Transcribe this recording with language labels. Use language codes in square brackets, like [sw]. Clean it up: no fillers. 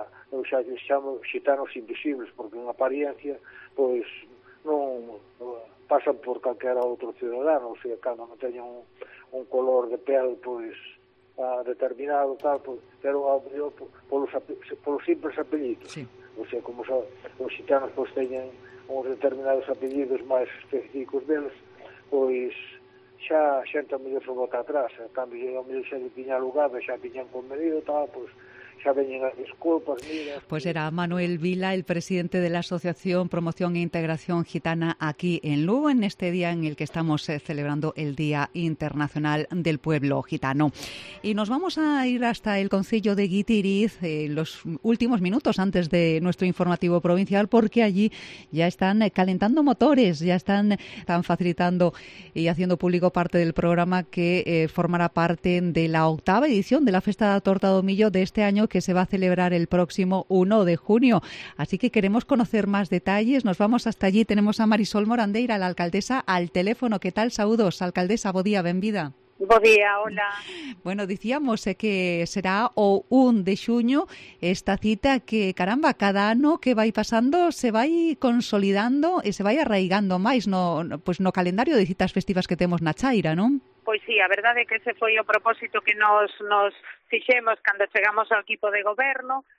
[gl] eu xa lhes chamo xitanos invisibles, porque en apariencia, pois, non pasan por calquera outro ciudadano, ou seja, cando non teñen un color de pele, pois, determinado, tal, pois, pero ao mellor polos simples apelidos, sí. Ou seja, como xa, os xitanos, pois, teñen uns determinados apelidos máis específicos deles, pois, xa a xente ao mellor se bota atrás, a cambio de ao mellor xa de piña lugar, xa piñan convenido, tal, pois, xa veñen as disculpas, mira. [es] Pois era Manuel Vila, el presidente de la Asociación Promoción e Integración Gitana aquí en Lugo, en este día en el que estamos celebrando el Día Internacional del Pueblo Gitano. Y nos vamos a ir hasta el concello de Guitiriz, los últimos minutos antes de nuestro informativo provincial, porque allí ya están calentando motores, ya están facilitando y haciendo público parte del programa que formará parte de la octava edición de la Festa de la Torta do Millo de este año, que se va a celebrar el próximo 1 de junio. Así que queremos conocer más detalles. Nos vamos hasta allí. Tenemos a Marisol Morandeira, la alcaldesa, al teléfono. ¿Qué tal? Saludos, alcaldesa. [gl] Bo día, benvida. Bo día, hola. Bueno, decíamos que será o 1 de xuño esta cita que, caramba, cada ano que vai pasando se vai consolidando e se vai arraigando máis no calendario de citas festivas que temos na Chaira, non? Pois sí, a verdade é que ese foi o propósito que nos fixemos cando chegamos ao equipo de goberno,